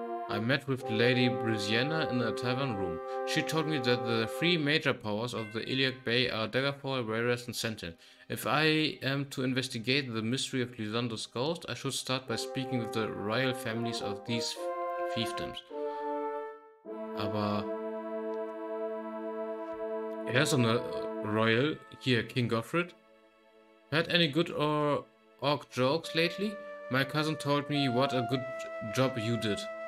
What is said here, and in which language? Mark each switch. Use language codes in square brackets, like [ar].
[en] I met with Lady Brisiana in a tavern room. She told me that the three major powers of the Iliac Bay are Daggerfall, Rayrest, and Sentinel. If I am to investigate the mystery of Lysandre's ghost, I should start by speaking with the royal families of these fiefdoms. [de] Aber er ist eine Royal, hier King Godfred. [en] Had any good or orc jokes lately? My cousin told me what a good job you did.